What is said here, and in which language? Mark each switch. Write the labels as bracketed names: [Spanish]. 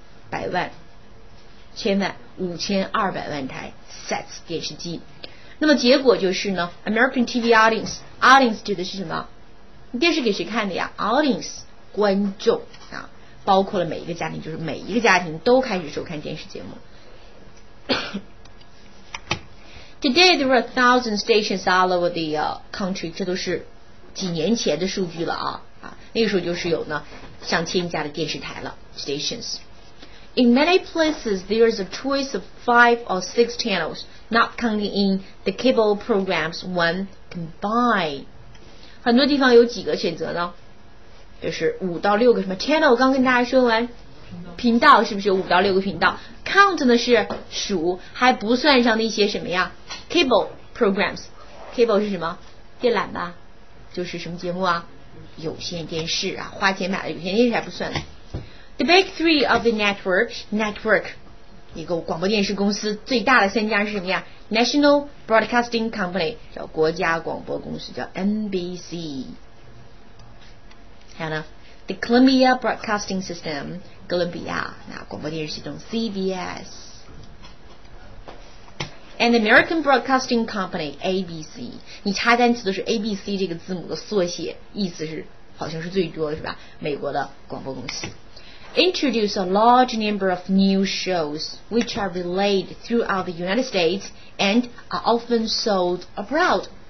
[Chinese] 百万、千万、5200万台 sets 电视机。那么结果就是呢 ， [English] American TV audience [Chinese] 指的是什么？电视给谁看的呀 ？Audience 观众啊，包括了每一个家庭，就是每一个家庭都开始收看电视节目。 [English] Today there are 1,000 stations all over the country. [Chinese] 这都是几年前的数据了啊！那个时候就是有呢上千家的电视台了 stations. [English] In many places there is a choice of 5 or 6 channels, not counting in the cable programs when combined. [Chinese] 很多地方有几个选择呢？就是5到6个什么 channel？ 刚跟大家说完。频道是不是有5到6个频道 ？Count 呢是数，还不算上那些什么呀 ？Cable programs， cable 是什么？电缆吧，就是什么节目啊？有线电视啊，花钱买的有线电视还不算。 [English] The big three of the network， [Chinese] 一个广播电视公司最大的三家是什么呀 ？National Broadcasting Company 叫国家广播公司叫 NBC。Hannah. [English] The Columbia Broadcasting System, Columbia, [Chinese] 那广播电视系统 [English] CBS. And the American Broadcasting Company, ABC. [Chinese] 你查单词都是 ABC 这个字母的缩写，意思是好像是最多是吧？美国的广播公司。 [English] Introduce a large number of new shows which are relayed throughout the United States and are often sold abroad.